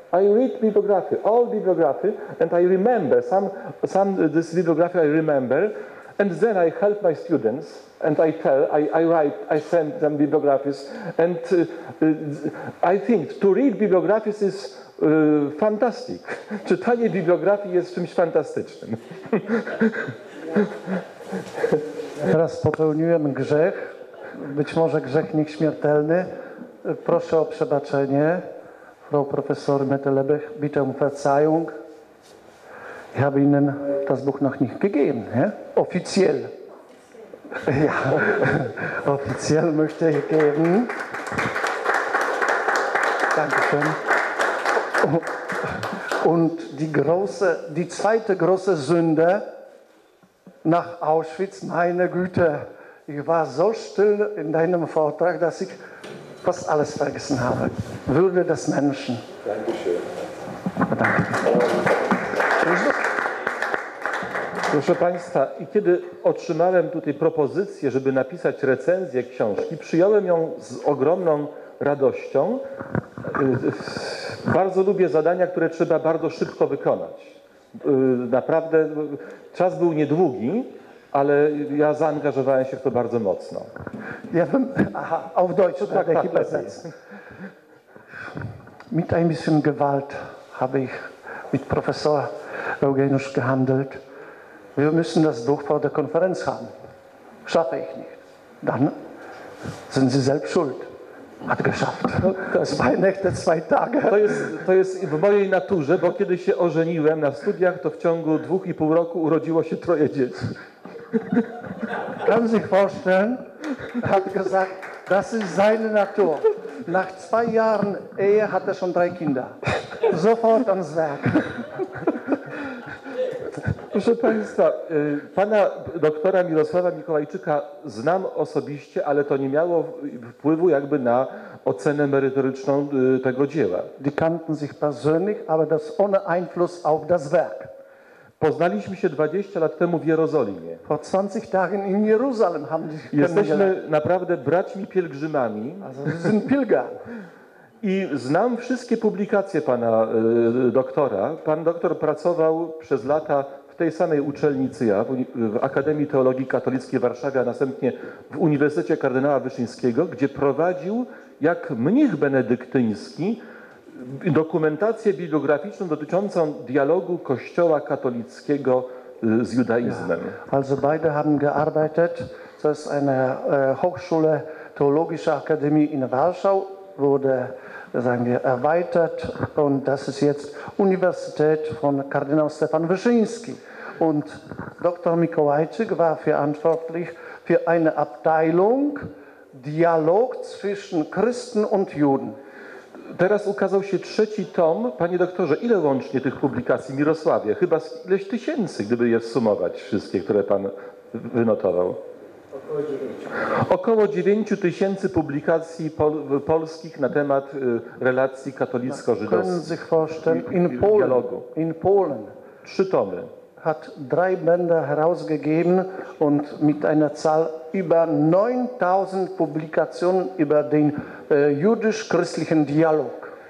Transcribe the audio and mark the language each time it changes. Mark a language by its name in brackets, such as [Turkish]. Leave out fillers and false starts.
[English] I read bibliography, all bibliography, and I remember this bibliography I remember, and then I help my students and I tell, I write, I send them bibliographies, and I think to read bibliographies is fantastic. [Polish] Czytanie bibliografii jest czymś fantastycznym. Teraz popełniłem grzech, być może grzech nieśmiertelny. Proszę o przebaczenie, [German] Frau Professor Mettelebech, bitte um Verzeihung. Ich habe Ihnen das Buch noch nicht gegeben, ne? Offiziell. Ja, offiziell möchte ich geben. Dankeschön. Und die zweite große Sünde, nach Auschwitz, meine Güte, ich war so still in deinem Vortrag, dass ich fast alles vergessen habe. Würde des Menschen. Dankeschön. Danke. [Polish] Proszę Państwa, i kiedy otrzymałem tutaj propozycję, żeby napisać recenzję książki, przyjąłem ją z ogromną radością. Bardzo lubię zadania, które trzeba bardzo szybko wykonać. Naprawdę czas był niedługi, ale ja zaangażowałem się w to bardzo mocno. Ja bym, [German] auf Deutsch, [Polish] tak, tak, tak. [German] Mit ein bisschen Gewalt habe ich mit Professor Eugenius gehandelt. Wir müssen das Buch vor der Konferenz haben. Schaffe ich nicht. Dann sind Sie selbst schuld. Hat geschafft. Zwei Nächte, zwei Tage. [Polish] To jest w mojej naturze, bo kiedy się ożeniłem na studiach, to w ciągu 2,5 roku urodziło się 3 dzieci. [German] Kann sich vorstellen, hat gesagt, das ist seine Natur. Nach 2 Jahren Ehe hat schon 3 Kinder. Sofort ans Werk. [Polish] Proszę Państwa, pana doktora Mirosława Mikołajczyka znam osobiście, ale to nie miało wpływu jakby na ocenę merytoryczną tego dzieła. [German] Die kannten sich persönlich, aber das ohne Einfluss auf das Werk. [Polish] Poznaliśmy się 20 lat temu w Jerozolimie. [German] Po 20 Tagen in Jerusalem haben [Polish] sich Jesteśmy naprawdę braćmi pielgrzymami. [German] Also, sind Pilger. [Polish] I znam wszystkie publikacje pana doktora. Pan doktor pracował przez lata w tej samej uczelni, co ja, w Akademii Teologii Katolickiej w Warszawie, a następnie w Uniwersytecie Kardynała Wyszyńskiego, gdzie prowadził, jak mnich benedyktyński, dokumentację bibliograficzną dotyczącą dialogu Kościoła katolickiego z judaizmem. [German] Also beide haben gearbeitet, [Polish] to jest [German] eine Hochschule Theologische Akademie in Warschau, wurde, sagen wir, erweitert und das ist jetzt Universität von Kardinał Stefan Wyszyński. Und Dr. Mikołajczyk war verantwortlich für eine Abteilung Dialog zwischen Christen und Juden. [Polish] Teraz ukazał się 3. tom. Panie doktorze, ile łącznie tych publikacji, Mirosławie? Chyba ileś tysięcy, gdyby je zsumować wszystkie, które pan wynotował. Około 9 tysięcy publikacji polskich na temat relacji katolicko-żydowskich dialogu. [German] In Polen. [Polish] 3 tomy. [German] Hat 3 Bände herausgegeben und mit einer Zahl über 9000 Publikationen über den jüdisch-christlichen Dialog.